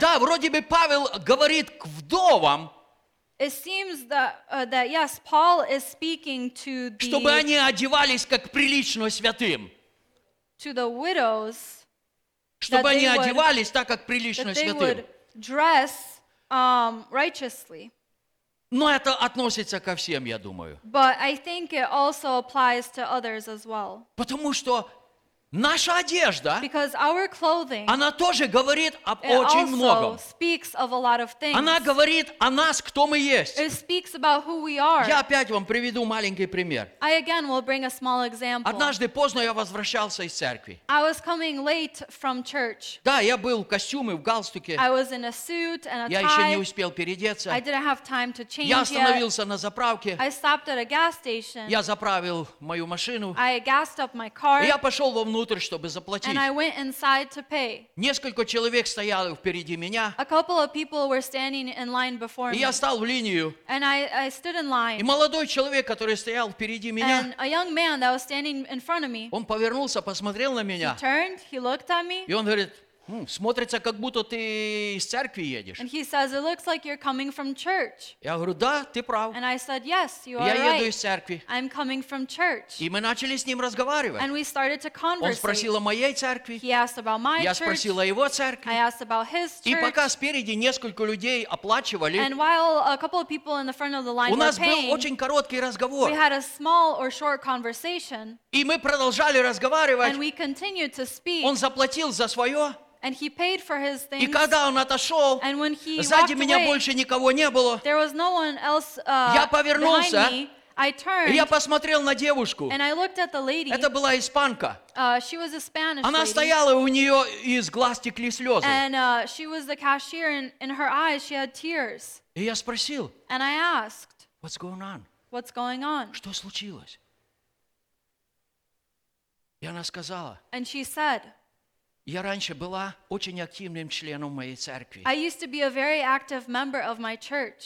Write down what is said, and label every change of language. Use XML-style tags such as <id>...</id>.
<ru>Да, вроде бы Павел говорит к вдовам,</ru> <en>it seems that that yes, Paul is speaking to the,</en> <ru>чтобы они одевались как прилично святым.</ru> <en>To the widows,</en> <ru>чтобы они</ru> <en>would,</en> <ru>одевались так, как прилично святым.</ru> <en>Dress, righteously.</en> <ru>Но это относится ко всем, я думаю.</ru> <en>But I think it also applies to others as well.</en> <ru>Потому что наша одежда,</ru> <en>because our clothing,</en> <ru>она тоже говорит об очень многом.</ru> <en>Speaks of a lot of things.</en> <ru>Она говорит о нас, кто мы есть.</ru> <en>It speaks about who we are.</en> <ru>Я опять вам приведу маленький пример.</ru> <en>I again will bring a small example.</en> <ru>Однажды поздно я возвращался из церкви.</ru> <en>I was coming late from church.</en> <ru>Да, я был в костюме, в галстуке.</ru> <en>I was in a suit and a tie.</en> <ru>Я еще не успел переодеться.</ru> <en>I didn't have time to change</en> <ru>я остановился</ru> <en>yet.</en> <ru>На заправке.</ru> <en>I stopped at a gas station.</en> <ru>Я заправил мою машину.</ru> <en>I gassed up my car.</en> <ru>И я пошел во внутрь. внутрь, чтобы заплатить.</ru> <en>And I went inside to pay.</en> <ru>Несколько человек стояли впереди меня.</ru> <en>A couple of people were standing in line before me.</en> <ru>И я стал в линию.</ru> <en>And I stood in line.</en> <ru>И молодой человек, который стоял впереди меня.</ru> <en>And a young man that was standing in front of me.</en> <ru>Он повернулся, посмотрел на меня.</ru> <en>He turned, he looked at me.</en> <ru>И он говорит: смотрится, как будто ты из церкви едешь.</ru> <en>And he says, it looks like you're coming from church.</en> <ru>Я говорю: да, ты прав.</ru> <en>And I said, yes, you are right.</en> <ru>Я еду из церкви.</ru> <en>I'm coming from church.</en> <ru>И мы начали с ним разговаривать.</ru> <en>And we started to converse.</en> <ru>Он спросил о моей церкви.</ru> <en>He asked about my</en> <ru>church. Я спросил о его церкви.</ru> <en>I asked about his church.</en> <ru>И пока спереди несколько людей оплачивали,</ru> <en>and while a couple of people in the front of the line</en> <ru>у нас</ru> <en>were paying,</en> <ru>был очень короткий разговор.</ru> <en>We had a small or short conversation.</en> <ru>И мы продолжали разговаривать.</ru> <en>And we continued to speak.</en> <ru>Он заплатил за свое.</ru> <en>And he paid for his things.</en> <ru>И когда он отошел,</ru> <en>and when he</en> <ru>сзади меня</ru> <en>away,</en> <ru>больше никого не было,</ru> <en>there was no one else,</en> <ru>я повернулся,</ru> <en>me, I turned,</en> <ru>и я посмотрел на девушку.</ru> <en>And I looked at the lady.</en> <ru>Это была испанка.</ru> <en>She was a Spanish</en> <ru>она</ru> <en>lady.</en> <ru>Стояла, у нее из глаз текли слезы.</ru> <en>And she was the cashier, and in her eyes she had tears.</en> <ru>И я спросил,</ru> <en>and I asked, what's going on? What's going on?</en> <ru>Что случилось? И она сказала,</ru> <en>and she said,</en> <ru>я раньше была очень активным членом моей церкви.</ru> <en>I used to be a very active member of my church.</en>